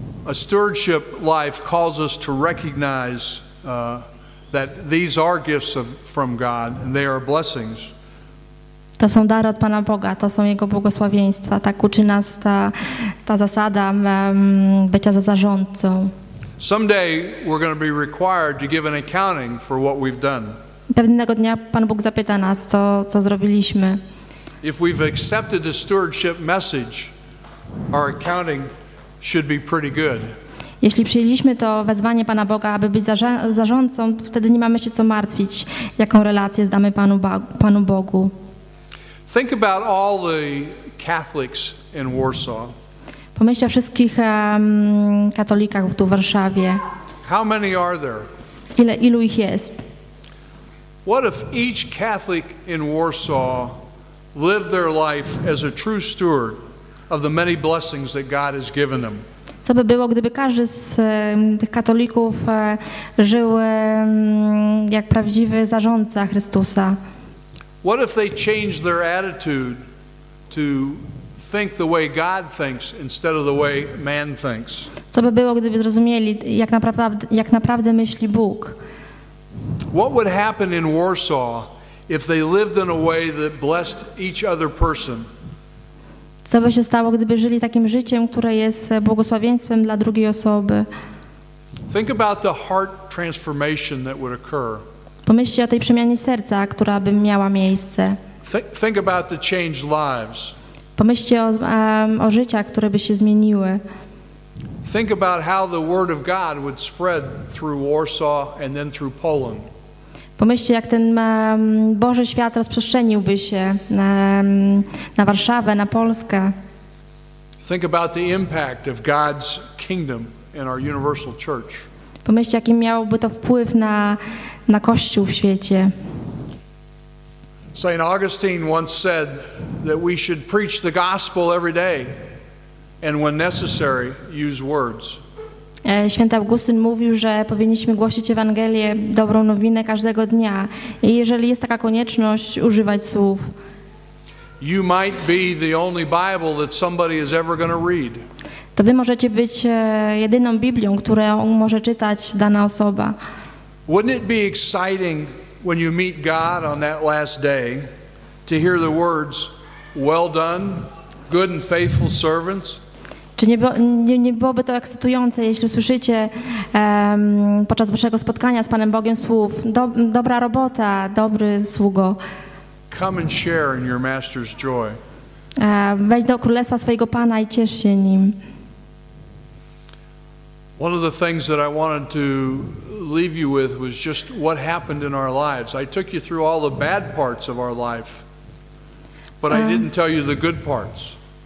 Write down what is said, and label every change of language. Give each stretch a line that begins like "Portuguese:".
English: A stewardship life calls us to recognize that these are gifts from God and they are blessings.
Polish: To są dary od Pana Boga, to są Jego błogosławieństwa. Tak uczy nas ta zasada bycia za zarządcą.
English: Someday we're going to be required to give an accounting for what we've done.
Polish: Pewnego dnia Pan Bóg zapyta nas, co zrobiliśmy.
English: If we've accepted the stewardship message, our accounting should be pretty good.
Polish: Jeśli przyjęliśmy to wezwanie Pana Boga, aby być zarządcą, wtedy nie mamy się co martwić, jaką relację zdamy Panu Bogu.
English: Think about all the Catholics in Warsaw.
Polish: Pomyśl o wszystkich katolikach tu w Warszawie.
English: How many are there?
Polish: Ilu ich jest?
English: What if each Catholic in Warsaw lived their life as a true steward of the many blessings that God has given them.
Polish: Co by było, gdyby każdy z tych katolików żył jak prawdziwy zarządca Chrystusa?
English: What if they changed their attitude to think the way God thinks instead of the way man thinks?
Polish: Co by było, gdyby zrozumieli, jak naprawdę myśli Bóg?
English: What would happen in Warsaw if they lived in a way that blessed each other person?
Polish: Co by się stało, gdyby żyli takim życiem, które jest błogosławieństwem dla drugiej osoby?
English: Think about the heart transformation that would occur.
Polish: Pomyślcie o tej przemianie serca, która by miała miejsce.
English: Think about the changed lives.
Polish: Pomyślcie o życiach, które by się zmieniły.
English: Think about how the word of God would spread through Warsaw and then through Poland.
Polish: Pomyślcie, jak ten Boży świat rozprzestrzeniłby się na Warszawę, na Polskę.
English: Think about the impact of God's kingdom in our universal church.
Polish: Pomyślcie, jaki miałby to wpływ na Kościół w świecie.
English: St. Augustine once said that we should preach the gospel every day and when necessary use words.
Polish: Święty Augustyn mówił, że powinniśmy głosić Ewangelię, dobrą nowinę każdego dnia. I jeżeli jest taka konieczność, używać słów.
English: You might be the only Bible that somebody is ever going to read.
Polish: To wy możecie być jedyną Biblią, którą może czytać dana osoba.
English: Wouldn't it be exciting when you meet God on that last day to hear the words, well done, good and faithful servants?
Polish: Czy nie byłoby to ekscytujące, jeśli usłyszycie podczas waszego spotkania z Panem Bogiem słów dobra robota, dobry sługo.
English: Come and share in your master's joy.
Polish: Wejdź do królestwa swojego Pana i ciesz się nim.
English: One of the things that I wanted to leave you with was just what happened in our lives. I took you through all the bad parts of our life, but I didn't tell you the good parts.